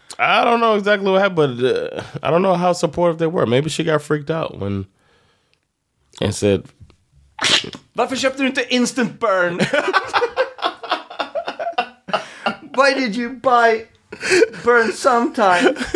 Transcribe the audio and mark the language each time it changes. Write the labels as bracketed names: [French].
[English] I don't know exactly what happened, but I don't know how supportive they were. Maybe she got freaked out when... And said... [Swedish] Varför köpte du inte instant burn? [English] Why did you buy burn sometime?